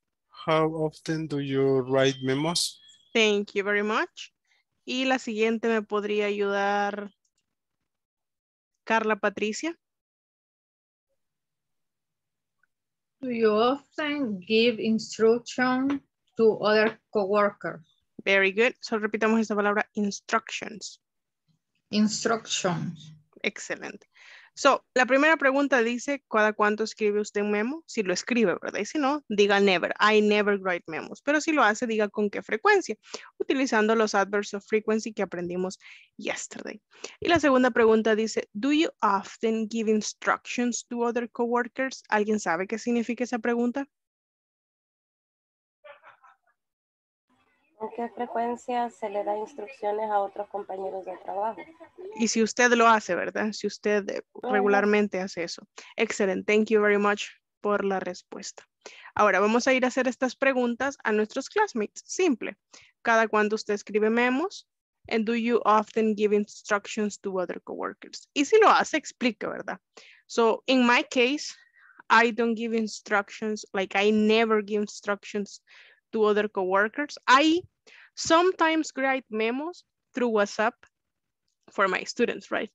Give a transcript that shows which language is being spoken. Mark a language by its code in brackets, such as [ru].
[en] How often do you write memos? Thank you very much. [es] Y la siguiente me podría ayudar Carla Patricia. [en] Do you often give instruction to other coworkers? Very good. [es] So repitamos esta palabra, [en] instructions. Instructions. Excellent. [es] So, la primera pregunta dice, ¿cada cuánto escribe usted un memo? Si lo escribe, ¿verdad? Y si no, diga never. [en] I never write memos. [es] Pero si lo hace, diga con qué frecuencia. Utilizando los [en] adverbs of frequency [es] que aprendimos [en] yesterday. [es] Y la segunda pregunta dice, [en] ¿do you often give instructions to other coworkers? [es] ¿Alguien sabe qué significa esa pregunta? ¿Con qué frecuencia se le da instrucciones a otros compañeros de trabajo? Y si usted lo hace, ¿verdad? Si usted regularmente hace eso. Excelente. [en] Thank you very much [es] por la respuesta. Ahora vamos a ir a hacer estas preguntas a nuestros classmates. Simple. Cada cuando usted escribe memos. [en] And do you often give instructions to other coworkers? [es] Y si lo hace, explique, ¿verdad? [en] So in my case, I don't give instructions. Like I never give instructions to other coworkers. I sometimes write memos through WhatsApp for my students, right?